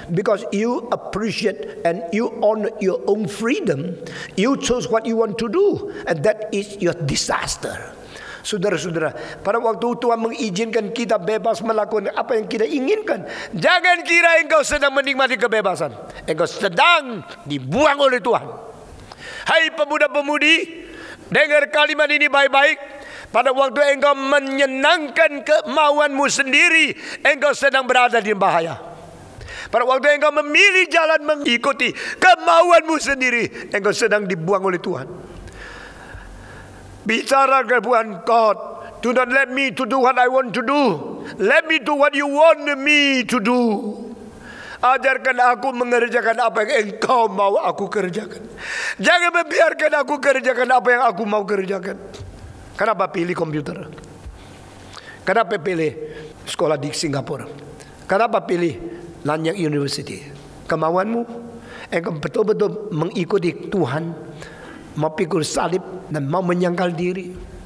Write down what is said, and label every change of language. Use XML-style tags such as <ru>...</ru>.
<en>Because you appreciate and you honor your own freedom, you choose what you want to do, and that is your disaster.</en> <id>Saudara-saudara, pada waktu Tuhan mengizinkan kita bebas melakukan apa yang kita inginkan, jangan kira engkau sedang menikmati kebebasan. Engkau sedang dibuang oleh Tuhan. Hai pemuda-pemudi, dengar kalimat ini baik-baik. Pada waktu engkau menyenangkan kemauanmu sendiri, engkau sedang berada di bahaya. Pada waktu engkau memilih jalan mengikuti kemauanmu sendiri, engkau sedang dibuang oleh Tuhan. Bicara kepada</id> <en>God, do not let me to do what I want to do. Let me do what you want me to do.</en> <id>Ajarkan aku mengerjakan apa yang engkau mau aku kerjakan. Jangan membiarkan aku kerjakan apa yang aku mau kerjakan. Kenapa pilih komputer? Kenapa pilih sekolah di Singapura? Kenapa pilih Nanyang University? Kemauanmu, engkau betul-betul mengikuti Tuhan, mau pikul salib dan mau menyangkal diri.</id>